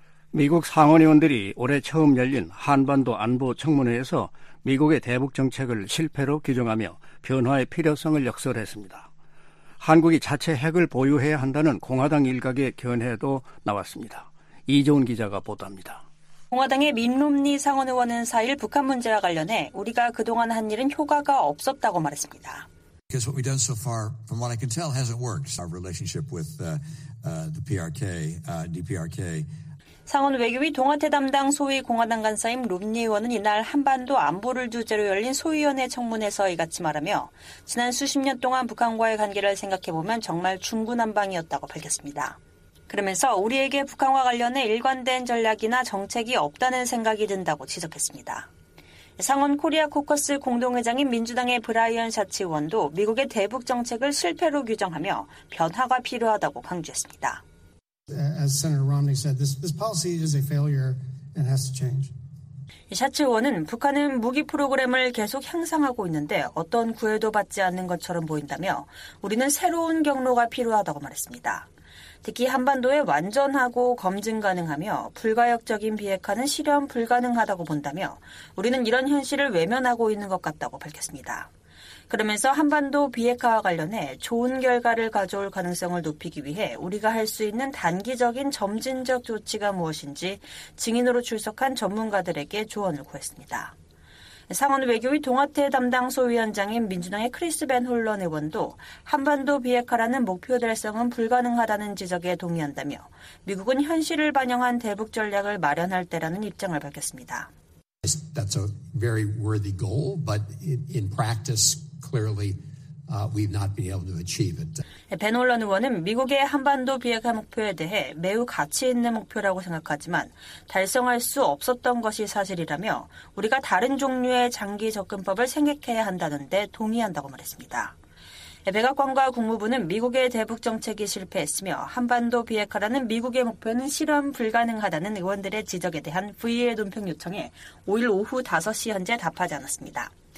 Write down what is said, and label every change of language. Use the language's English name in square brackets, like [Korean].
[Korean] 미국 상원의원들이 올해 처음 열린 한반도 안보 청문회에서 미국의 대북 정책을 실패로 규정하며 변화의 필요성을 역설했습니다. 한국이 자체 핵을 보유해야 한다는 공화당 일각의 견해도 나왔습니다. 이종훈 기자가 보도합니다. 공화당의 민롬니 상원의원은 4일 북한 문제와 관련해 우리가 그동안 한 일은 효과가 없었다고 말했습니다. [English] Because what we've done so far, from what I can tell, hasn't worked. Our relationship with the PRK, DPRK. [Korean] 상원 외교위 동아태 담당 소위 공화당 간사인 롬니 의원은 이날 한반도 안보를 주제로 열린 소위원회 청문회에서 이같이 말하며 지난 수십 년 동안 북한과의 관계를 생각해보면 정말 중구난방이었다고 밝혔습니다. 그러면서 우리에게 북한과 관련해 일관된 전략이나 정책이 없다는 생각이 든다고 지적했습니다. 상원 코리아 코커스 공동회장인 민주당의 브라이언 샤치 의원도 미국의 대북 정책을 실패로 규정하며 변화가 필요하다고 강조했습니다. [English] As Senator Romney said, this policy is a failure and has to change. [Korean] 샤츠 의원은 북한은 무기 프로그램을 계속 향상하고 있는데 어떤 구애도 받지 않는 것처럼 보인다며 우리는 새로운 경로가 필요하다고 말했습니다. 특히 한반도에 완전하고 검증 가능하며 불가역적인 비핵화는 실현 불가능하다고 본다며 우리는 이런 현실을 외면하고 있는 것 같다고 밝혔습니다. 그러면서 한반도 비핵화와 관련해 좋은 결과를 가져올 가능성을 높이기 위해 우리가 할 수 있는 단기적인 점진적 조치가 무엇인지 증인으로 출석한 전문가들에게 조언을 구했습니다. 상원 외교위 동아태 담당 소위원장인 민주당의 크리스 벤 홀런 의원도 한반도 비핵화라는 목표 달성은 불가능하다는 지적에 동의한다며 미국은 현실을 반영한 대북 전략을 마련할 때라는 입장을 밝혔습니다. [English] That's a very worthy goal, but in practice, clearly, we've not been able to achieve it. [Korean] 벤 홀런 의원은 미국의 한반도 비핵화 목표에 대해 매우 가치 있는 목표라고 생각하지만 달성할 수 없었던 것이 사실이라며 우리가 다른 종류의 장기 접근법을 생각해야 한다는 데 동의한다고 말했습니다. 백악관과 국무부는 미국의 대북 정책이 실패했으며 한반도 비핵화라는 미국의 목표는 실현 불가능하다는 의원들의 지적에 대한 VA 논평 요청에 5일 오후 5시 현재 답하지 않았습니다.